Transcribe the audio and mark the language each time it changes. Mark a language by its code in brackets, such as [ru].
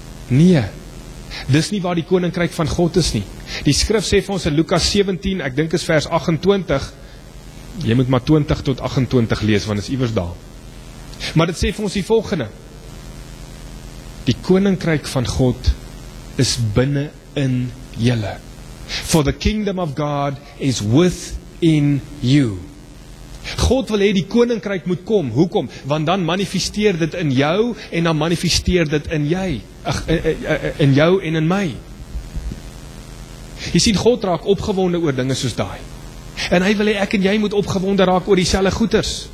[af] Nee, dis nie waar die koninkryk van God is nie. Die skrif sê vir ons in Lukas 17, ek dink is vers 28, jy moet maar 20 tot 28 lees, want is iewers daar. Maar dit sê vir ons die volgende, die koninkryk van God is binne in julle. [en] For the kingdom of God is within you. [af] God wil hê die koninkryk moet kom. Hoekom? Want dan manifesteer dit in jou en dan manifesteer dit in jy. In jou en in my. Jy sien, God raak opgewonde oor dinge soos daai. En hy wil hê ek en jy moet opgewonde raak oor dieselfde goeders.